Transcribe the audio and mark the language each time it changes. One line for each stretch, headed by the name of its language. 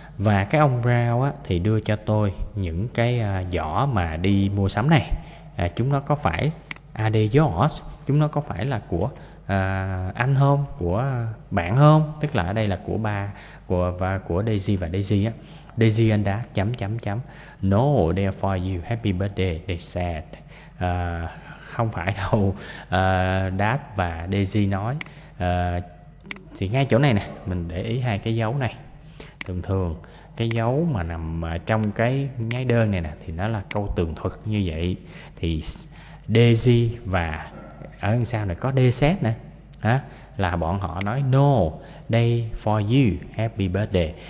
Vietnamese: Và cái ông Brown á thì đưa cho tôi những cái giỏ mà đi mua sắm này. Chúng nó có phải
English: are they yours?
Vietnamese: Chúng nó có phải là của anh không, của bạn không? Tức là ở đây là của ba của và của Daisy và Daisy á.
English: Daisy and Dad
Vietnamese: chấm chấm chấm.
English: No, they're for you. Happy birthday, they said.
Vietnamese: không phải đâu, Dad và Daisy nói. Thì ngay chỗ này nè, mình để ý hai cái dấu này. Thường thường cái dấu mà nằm trong cái nháy đơn này nè, thì nó là câu tường thuật như vậy. Thì Daisy và ở sao này có DZ nè, là bọn họ nói
English: no day for you, happy birthday.